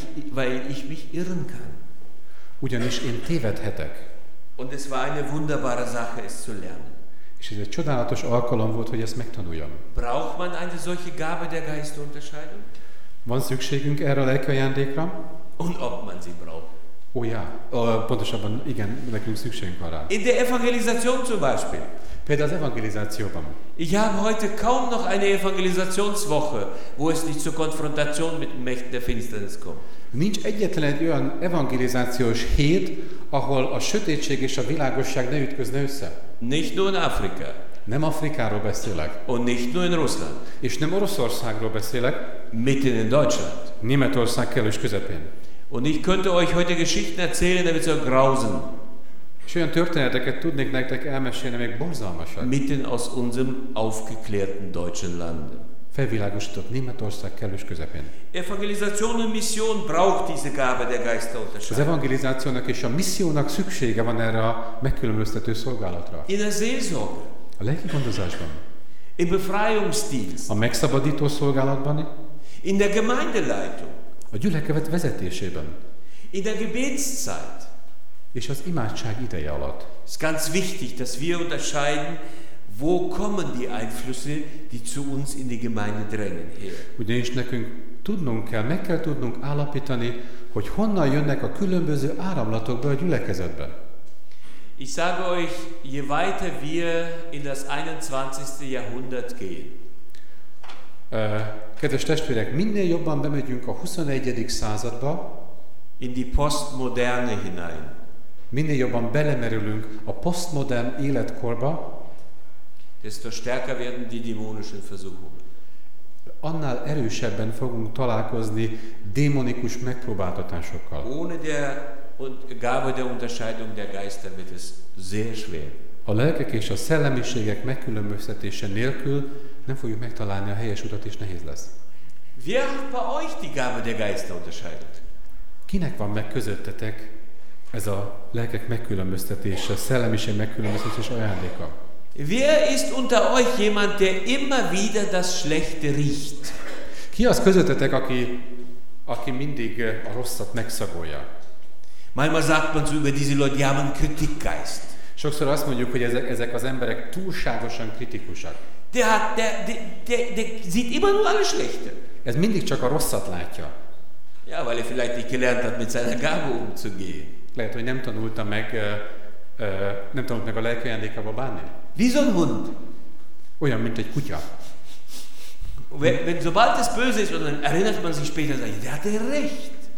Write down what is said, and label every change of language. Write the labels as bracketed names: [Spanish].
[German] Weil ich mich irren kann. [Hungarian] Ugyanis én tévedhetek. [German] Und es war eine wunderbare Sache, es zu lernen. [Hungarian] És ez egy csodálatos alkalom volt, hogy ezt megtanuljam. [German] Braucht man eine solche Gabe der Geisterunterscheidung? [Hungarian] Van szükségünk erre a lelki ajándékra? [German] Und ob man sie braucht. Oh ja, [Hungarian] pontosabban igen, nekünk szükségünk van rá. [German] In der Evangelisation zum Beispiel. [Hungarian] Például az evangelizációban. [German] Ich habe heute kaum noch eine Evangelisationswoche, wo es nicht zur Konfrontation mit Mächten der Finsternis kommt. [Hungarian] Nincs egyetlen egy olyan evangelizációs hét, ahol a sötétség és a világosság ne ütközne össze. [German] Nicht nur in Afrika. [Hungarian] Nem Afrikáról beszélek. [German] Und nicht nur in Russland. [Hungarian] És nem Oroszországról beszélek. [German] Mitten in Deutschland. [Hungarian] Németország kellős közepén. [German] Und ich könnte euch heute Geschichten erzählen, damit ihr grausen. [Hungarian] És olyan történeteket tudnék nektek elmesélni, még borzalmasak. [German] Mitten aus unserem aufgeklärten deutschen Land. [Hungarian] Felvilágosított Németország kellős közepén. [German] Evangelisation und Mission braucht diese Gabe der Geisterunterscheidung. [Hungarian] Az evangelizációnak és a missziónak szüksége van erre a megkülönböztető szolgálatra. [German] In der Seelsorge. [Hungarian] A lelki gondozásban. [German] Im Befreiungsdienst. [Hungarian] A megszabadító szolgálatban. [German] In der Gemeindeleitung. [Hungarian] A gyülekezet vezetésében. [German] In der Gebetszeit. [Hungarian] És az imádság ideje alatt. [German] Es ist ganz wichtig, dass wir unterscheiden, wo kommen die Einflüsse, die zu uns in die Gemeinde drängen, her. [Hungarian] Ugyanis nekünk tudnunk kell, meg kell tudnunk állapítani, hogy honnan jönnek a különböző áramlatok be a gyülekezetbe. [German] Ich sage euch, je weiter wir in das 21. Jahrhundert gehen. [Hungarian] Kedves testvérek, minél jobban bemegyünk a 21. századba, [German] in die postmoderne hinein. [Hungarian] Minél jobban belemerülünk a postmodern életkorba, [German] desto stärker werden die dämonischen Versuchungen. [Hungarian] Annál erősebben fogunk találkozni démonikus megpróbáltatásokkal. [German] Ohne der und Gabe der Unterscheidung der Geister wird es sehr schwer. [Hungarian] A lelkek és a szellemiségek megkülönböztetése nélkül nem fogjuk megtalálni a helyes utat, és nehéz lesz. [German] Wer hat bei euch die Gabe der Geister unterscheidet? [Hungarian] Kinek van meg közöttetek ez a lelkek megkülönböztetése, a szellemiség megkülönböztetése ajándéka? [German] Wer ist unter euch jemand, der immer wieder das Schlechte riecht? [Hungarian] Ki az közöttetek, aki mindig a rosszat megszagolja? [German] Manchmal sagt man so über diese Leute, die haben Kritikgeist. [Hungarian] Sokszor azt mondjuk, hogy ezek az emberek túlságosan kritikusak. [German] De sieht immer nur alles Schlechte. [Hungarian] Ez mindig csak a rosszat látja. [German] Ja, weil er vielleicht nicht gelernt hat, mit seiner Gabe umzugehen. [Hungarian] Lehet, hogy nem tanult meg a lelki ajándékával bánni. [German] Wie so ein Hund. [Hungarian] Olyan, mint egy kutya. [German] Wenn sobald es böse ist, dann erinnert man sich später, sagt, der hatte recht.